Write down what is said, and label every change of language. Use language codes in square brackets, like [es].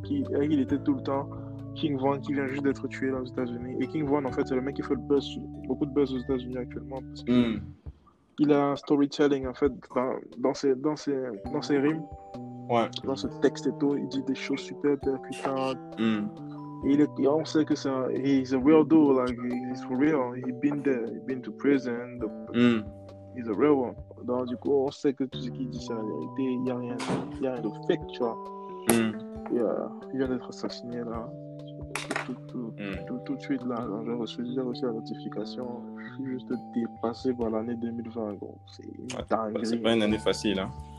[fr] Il était tout le temps. King Von, qui vient juste d'être tué aux États-Unis. Et King Von, en fait, c'est le mec qui fait le buzz, beaucoup de buzz aux États-Unis actuellement. Parce que. Il a un storytelling, en fait, dans ses rimes, ouais. Dans ce texte et tout, il dit des choses super percutantes. On sait que c'est [en] he's a real dude, like, he's for real, he's been there, he's been to prison, he's a real one. [fr] Donc, du coup, on sait que tout ce qu'il dit, c'est la vérité, il n'y a rien de fake, tu vois. Il vient d'être assassiné, là, tout de suite, là, j'ai reçu la notification. Juste dépassé par l'année 2020, gros. C'est pas une année facile, hein.